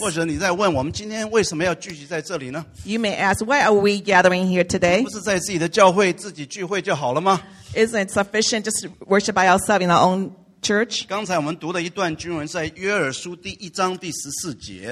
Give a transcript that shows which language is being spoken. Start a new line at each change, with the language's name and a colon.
Chinese: 或者你在问我们今天为什么要聚集在这里呢?
English: You may ask, why are we gathering here today?
Chinese: 不是在自己的教会自己聚会就好了吗?
English: Isn't it sufficient just to worship by ourselves in our own church?
Chinese: 刚才我们读的一段经文在约珥书第一章第十四节。